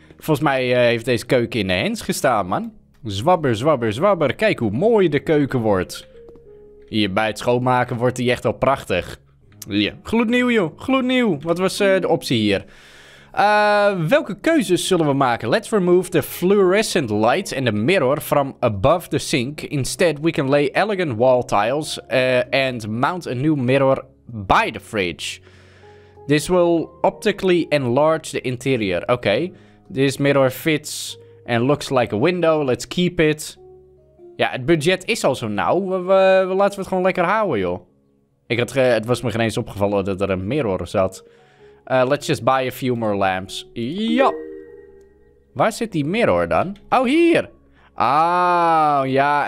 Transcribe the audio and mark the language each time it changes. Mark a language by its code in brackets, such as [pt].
[nl] Volgens mij heeft deze keuken in de hens gestaan, man. Zwabber, zwabber, zwabber. Kijk hoe mooi de keuken wordt. Hier bij het schoonmaken wordt die echt wel prachtig. Ja, gloednieuw, joh. Gloednieuw. Wat was de optie hier? Welke keuzes zullen we maken? [en] Let's remove the fluorescent lights and the mirror from above the sink. Instead, we can lay elegant wall tiles and mount a new mirror by the fridge. This will optically enlarge the interior. [nl] Oké. [en] This mirror fits and looks like a window. Let's keep it. [nl] Ja, het budget is al zo nauw. We laten we het gewoon lekker houden, joh. Het was me geen eens opgevallen dat er een mirror zat. [en] Let's just buy a few more lamps. [nl] Ja. Waar zit die mirror dan? Oh, hier. Ah, ja.